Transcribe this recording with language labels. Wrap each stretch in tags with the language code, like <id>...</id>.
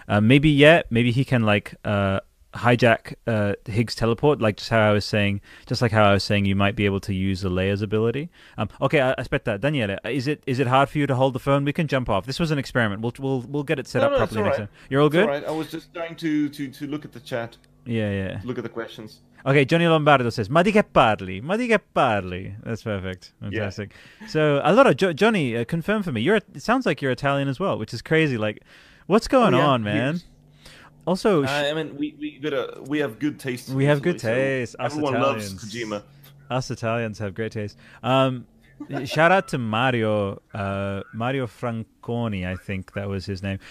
<en>Maybe he can like hijack Higgs teleport, like just like how I was saying you might be able to use the Leia's ability. Okay, aspetta, Daniele, is it hard for you to hold the phone? We can jump off. This was an experiment. We'll get it set up properly. Right. You're all good? It's all right. I was just trying to look at the chat. Yeah. Look at the questions. Okay, Johnny Lombardo says,</en> <it>Ma di che parli?</it> <en>That's perfect. Fantastic. Yeah. So, allora, Johnny, confirm for me. It sounds like you're Italian as well, which is crazy. Like, what's going on, man? Yes. Also, We have good taste. We have good taste. So everyone Italians. Loves Kojima. Us Italians have great taste. shout out to Mario, Mario Franconi, I think that was his name.</en>